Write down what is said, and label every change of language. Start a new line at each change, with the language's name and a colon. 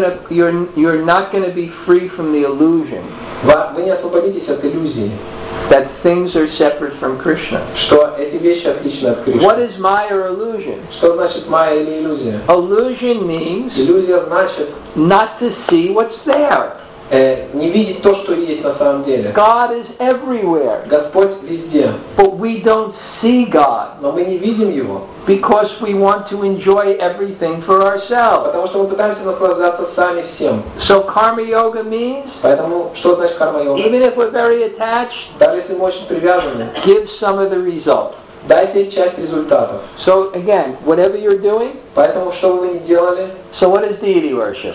English: you're not gonna be free from the illusion.
Russian: Вы не освободитесь от иллюзии.
English: That things are separate from Krishna.
Russian: Что эти вещи отличны от Кришны?
English: What is Maya or illusion?
Russian: Что значит Maya или иллюзия?
English: Illusion means.
Russian: Иллюзия значит.
English: Not to see what's there.
Russian: Не видеть то, что есть на самом деле.
English: God is everywhere.
Russian: Господь везде.
English: But we don't see God.
Russian: Но мы не видим его.
English: Because we want to enjoy everything for ourselves.
Russian: Потому что мы пытаемся наслаждаться сами всем.
English: So karma yoga means.
Russian: Поэтому что значит карма йога?
English: Even if we're very attached.
Russian: Даже если мы очень привязаны.
English: Give some of the result.
Russian: Дайте часть результатов.
English: So again, whatever you're doing.
Russian: Поэтому что бы вы ни делали.
English: So what is deity worship?